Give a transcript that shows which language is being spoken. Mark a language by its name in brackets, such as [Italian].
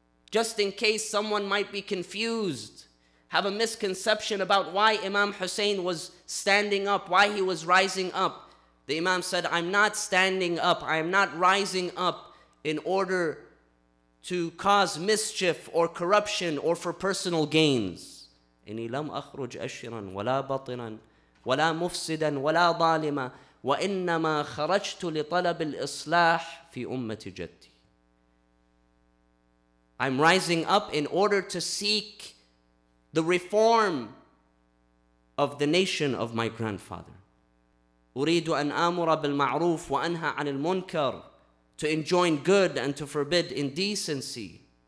[English] Just in case someone might be confused, have a misconception about why Imam Hussein was standing up, why he was rising up, the Imam said, "I'm not standing up, I'm not rising up in order to cause mischief or corruption or for personal gains." [Arabic] إني لم أخرج أشرا ولا بطنا ولا مفسدا ولا ظالما وإنما خرجت لطلب الإصلاح في أمة جدي. [English] I'm rising up in order to seek the reform of the nation of my grandfather. [Arabic] أريد أن آمر بالمعروف وأنهى عن المنكر, [English] to enjoin good and to forbid indecency.